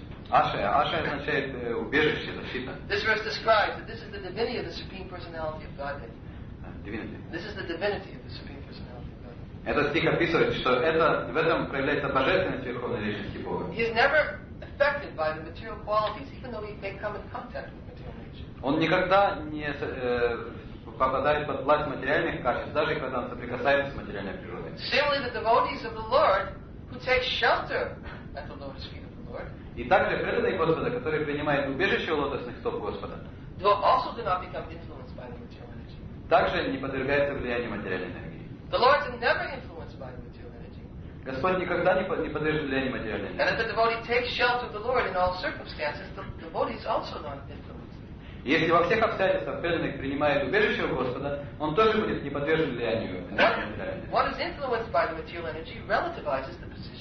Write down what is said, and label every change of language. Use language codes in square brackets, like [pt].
[ru] Ашая, ашая означает убежище, защита. [en] This verse describes that this is the divinity of the supreme personality of Godhead. This is the divinity of the supreme personality of Godhead. [ru] Этот стих описывает, что в этом проявляется божественность верховной личности Бога. [en] He is never affected by the material qualities, even though he may come in contact with material nature. [ru] Он никогда не попадает под власть материальных качеств, даже когда он соприкасается с материальной природой. [en] Similarly, the devotees of the Lord who take shelter at the lotus feet of the Lord. [ru] И также преданные Господа, которые принимают убежище у лотосных стоп Господа. [en] Do also do not become influenced by the material energy. [ru] Также не подвергаются влиянию материальной энергии. [en] The Lord is never influenced by the material energy. [ru] Господь никогда не подвержен влиянию материальной энергии. [en] And if the devotee takes shelter of the Lord in all circumstances, the devotee is also not influenced. [ru] Если во всех обстоятельствах преданных принимает убежище у Господа, он тоже будет не подвержен влиянию материальной [en] energy. What is influenced by the material energy relativizes the